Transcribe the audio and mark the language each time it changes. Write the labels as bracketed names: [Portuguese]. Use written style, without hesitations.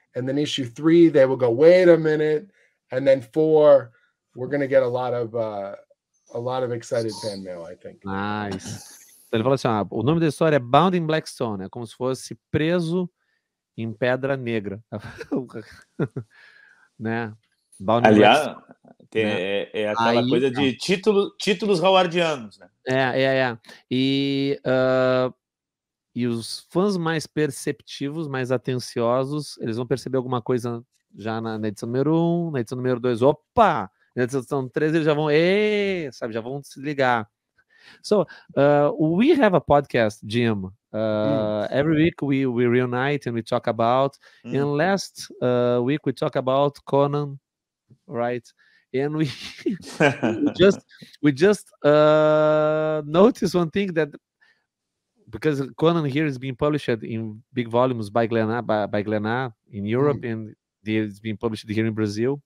[English] And then issue three, they will go, wait a minute. And then four, we're going to get a lot of excited fan mail, I think. Nice. [Portuguese] Então ele falou assim, ah, o nome da história é Bound in Black Stone. É como se fosse preso em pedra negra. Né? Bound in Black Stone. Tem, né? É aquela aí, coisa de títulos howardianos, né? É. E os fãs mais perceptivos, mais atenciosos, eles vão perceber alguma coisa já na edição número 1, na edição número 2, opa! Na edição 3 eles já vão, sabe, já vão se ligar. [English] So, we have a podcast, Jim. Every week we reunite and we talk about, and last week we talk about Conan, right? And we just noticed one thing that because Conan here is being published in big volumes by Glenna in Europe, and it's being published here in Brazil.